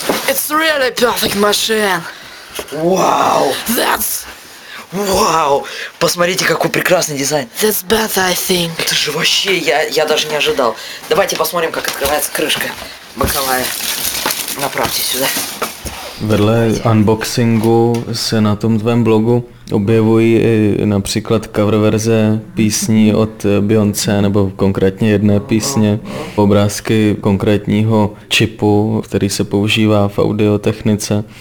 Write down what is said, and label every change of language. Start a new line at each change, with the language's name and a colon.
English: It's really perfect machine. Вау. That's... Вау.
Russian: Посмотрите, какой прекрасный дизайн.
English: That's better, I think.
Russian: Это же вообще, я даже не ожидал. Давайте посмотрим, как открывается крышка боковая. Направьте сюда.
Czech: Vedle unboxingu se na tom tvém blogu objevují i například cover verze písní od Beyoncé, nebo konkrétně jedné písně, obrázky konkrétního čipu, který se používá v audiotechnice.